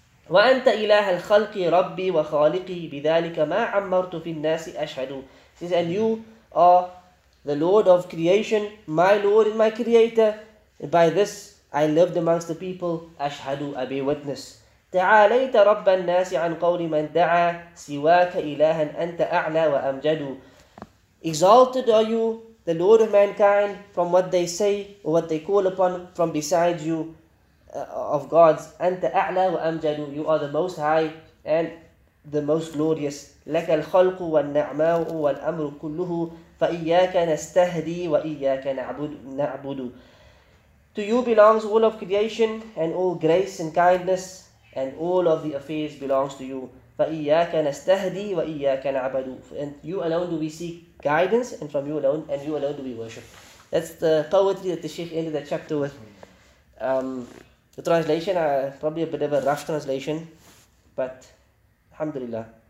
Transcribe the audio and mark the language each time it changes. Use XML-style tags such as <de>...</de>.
<ar>وَأَنْتَ إِلَهَ الْخَلْقِ رَبِّي وَخَالِقِي بِذَلِكَ مَا عَمَّرْتُ فِي النَّاسِ أَشْهَدُ.</ar> <en>He says, and you are the Lord of creation, my Lord and my Creator. By this, I lived amongst the people. أَشْهَدُ, I bear witness.</en> <ar>تعاليت رب الناس عن قول من دعا سواك إلها أنت أعلى وأمجد.</ar> <en>Exalted are you, the Lord of mankind, from what they say or what they call upon from beside you of gods.</en> <ar>أنت أعلى وأمجد.</ar> <en>You are the most high and the most glorious.</en> <ar>لك الخلق والنعماء والأمر كله فإياك نستهدي وإياك نعبد.</ar> <en>To you belongs all of creation and all grace and kindness, and all of the affairs belongs to you.</en> <ar>فَإِيَّاكَ نَسْتَهْدِي وَإِيَّاكَ نَعْبَدُ.</ar> <en>And you alone do we seek guidance, and from you alone, and you alone do we worship. That's the poetry that the Sheikh ended that chapter with. The translation, probably a bit of a rough translation, but alhamdulillah.</en>